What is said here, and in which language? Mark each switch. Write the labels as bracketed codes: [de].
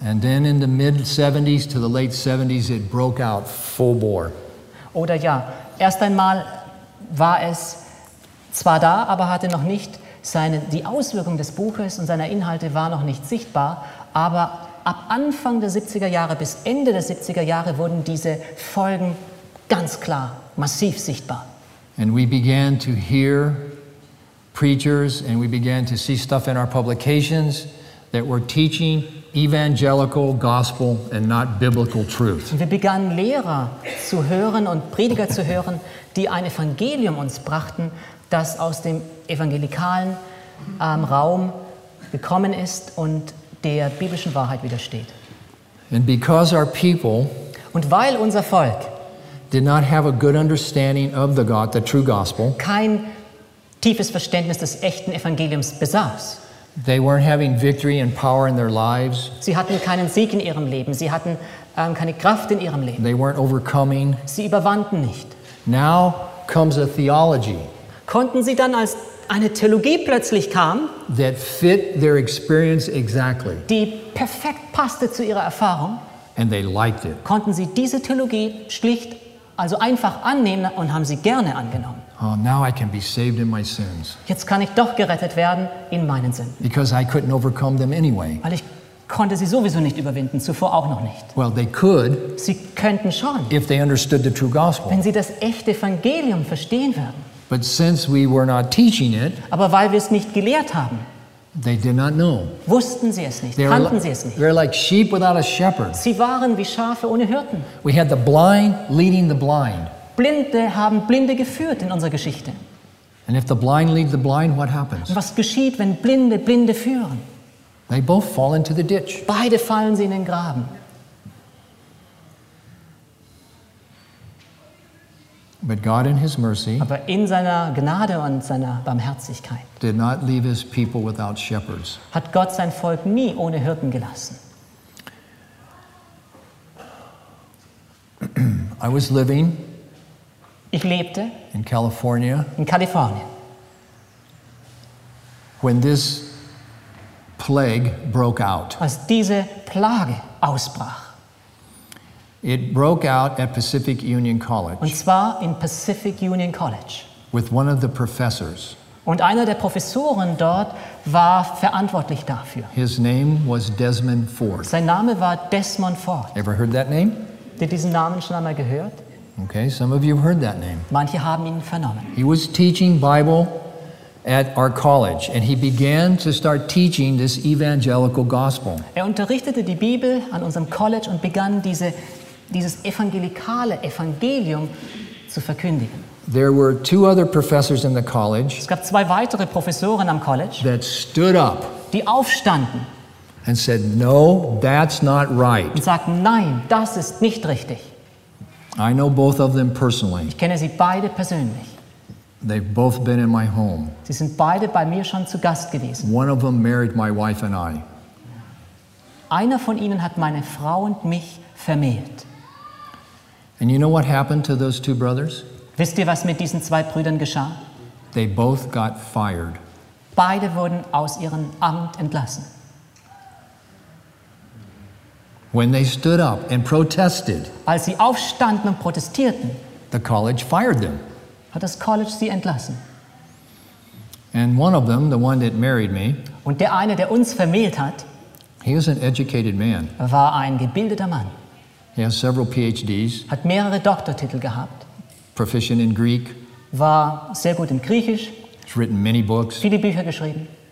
[en] And then in the mid 70s to the late 70s it broke out full bore. [de] Oder ja, erst einmal war es zwar da, aber hatte noch nicht die Auswirkung des Buches und seiner Inhalte war noch nicht sichtbar, aber ab Anfang der 70er Jahre bis Ende der 70er Jahre wurden diese Folgen ganz klar massiv sichtbar. [en] And we began to hear preachers and we began to see stuff in our publications that were teaching evangelical gospel and not biblical truth. [de] Wir begannen Lehrer zu hören und Prediger zu hören, die ein Evangelium uns brachten, das aus dem evangelikalen Raum gekommen ist und der biblischen Wahrheit widersteht. [en] And because our people [de] und weil unser Volk [en] did not have a good understanding of the God, the true gospel, [de] kein tiefes Verständnis des echten Evangeliums besaß. [en] They weren't having victory and power in their lives. [de] Sie hatten keinen Sieg in ihrem Leben. Sie hatten keine Kraft in ihrem Leben. [en] They weren't overcoming. [de] Sie überwanden nicht. [en] Now comes a theology. [de] Konnten sie dann, als eine Theologie plötzlich kam, [en] that fit their experience exactly. [de] Die perfekt passte zu ihrer Erfahrung. [en] And they liked it. [de] Konnten sie diese Theologie schlicht, also einfach annehmen und haben sie gerne angenommen. [en] Oh, now I can be saved in my sins. [de] Jetzt kann ich doch gerettet werden in meinen Sünden. [en] Because I couldn't overcome them anyway. [de] Weil ich konnte sie sowieso nicht überwinden, zuvor auch noch nicht. [en] Well, they could. [de] Sie könnten schon. [en] If they understood the true gospel. [de] Wenn sie das echte Evangelium verstehen würden. [en] But since we were not teaching it. [de] Aber weil wir es nicht gelehrt haben. [en] They did not know. [de] Wussten sie es nicht? Kannten sie es nicht? [en] They're like sheep without a shepherd. [de] Sie waren wie Schafe ohne Hirten. [en] We had the blind leading the blind. [de] Blinde haben Blinde geführt in unserer Geschichte. [en] And if the blind lead the blind, what happens? [de] Was geschieht, wenn Blinde Blinde führen? [en] They both fall into the ditch. [de] Beide fallen sie in den Graben. [en] But God in his mercy, [de] aber in seiner Gnade und seiner Barmherzigkeit, [en] did not leave his people without shepherds. [de] Hat Gott sein Volk nie ohne Hirten gelassen. [en] I was living, [de] ich lebte [en] in California, [de] in Kalifornien, [en] when this plague broke out. [de] Als diese Plage ausbrach. [en] It broke out at Pacific Union College. [de] Und zwar in Pacific Union College. [en] With one of the professors. [de] Und einer der Professoren dort war verantwortlich dafür. [en] His name was Desmond Ford. [de] Sein Name war Desmond Ford. [en] Ever heard that name? [de] Habt ihr diesen Namen schon einmal gehört? [en] Okay, some of you heard that name. [de] Manche haben ihn vernommen. [en] He was teaching Bible at our college and he began to start teaching this evangelical gospel. [de] Er unterrichtete die Bibel an unserem College und begann dieses evangelikale Evangelium zu verkündigen. [en] There were two other professors in the college. [de] Es gab zwei weitere Professoren am College. [en] That stood up. [de] Die aufstanden. [en] and said, "No, that's not right." [de] Und sagten, nein, das ist nicht richtig. [en] I know both of them personally. [de] Ich kenne sie beide persönlich. [en] They've both been in my home. [de] Sie sind beide bei mir schon zu Gast gewesen. [en] One of them married my wife and I. [de] Einer von ihnen hat meine Frau und mich vermählt. [en] And you know what happened to those two brothers? [de] Wisst ihr, was mit diesen zwei Brüdern geschah? [en] They both got fired. [de] Beide wurden aus ihrem Amt entlassen. [en] When they stood up and protested, [de] als sie aufstanden und protestierten, [en] the college fired them. [de] Hat das College sie entlassen. [en] And one of them, the one that married me, [de] und der eine, der uns vermählt hat, [en] he was an educated man. [de] War ein gebildeter Mann. [en] He has several PhDs. [de] Hat mehrere Doktortitel gehabt. [en] Proficient in Greek. [de] War sehr gut in Griechisch. [en] He's written many books. [de] Viele Bücher geschrieben.